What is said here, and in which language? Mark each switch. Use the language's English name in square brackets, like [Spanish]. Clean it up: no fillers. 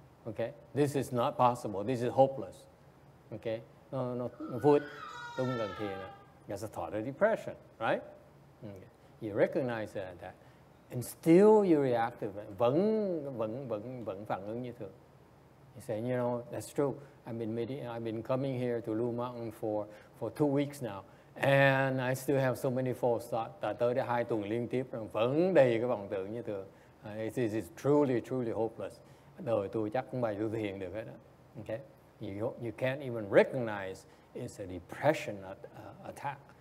[English] Okay, this is not possible, this is hopeless. [Vietnamese] Okay, nó vui, tôi không cần thiền à. [English] That's a thought of depression, right? Okay. You recognize that. And still you react to it. [Vietnamese] Vẫn phản ứng như thường. [English] You say, you know, that's true. I've been coming here to Blue Mountain for 2 weeks now. And I still have so many false thoughts. [Vietnamese] Tại tới đây 2 tuần liên tiếp vẫn đầy cái vọng tưởng như thường. [English] It's truly, truly hopeless. [Vietnamese] Đời tôi chắc không bao giờ tôi thiền được hết đó. [English] Okay? You can't even recognize it's a depression attack.